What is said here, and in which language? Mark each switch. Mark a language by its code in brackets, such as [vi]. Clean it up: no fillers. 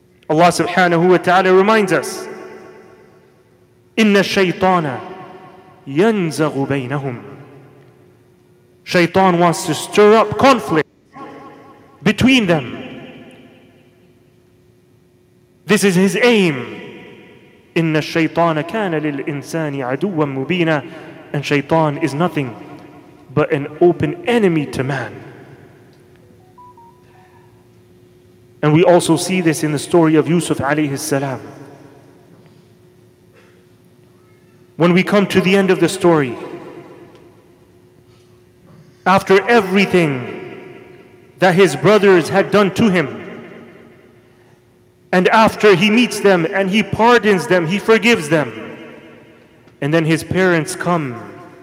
[en] Allah subhanahu wa ta'ala reminds us, [ar] إِنَّ الشَّيْطَانَ يَنْزَغُ بَيْنَهُمْ. [en] Shaitan wants to stir up conflict between them. This is his aim. [ar] إِنَّ الشَّيْطَانَ كَانَ لِلْإِنسَانِ عَدُوًا مُبِينًا. [en] and shaitan is nothing but an open enemy to man. And we also see this in the story of Yusuf alayhi salam. When we come to the end of the story, after everything that his brothers had done to him, and after he meets them and he pardons them, he forgives them, and then his parents come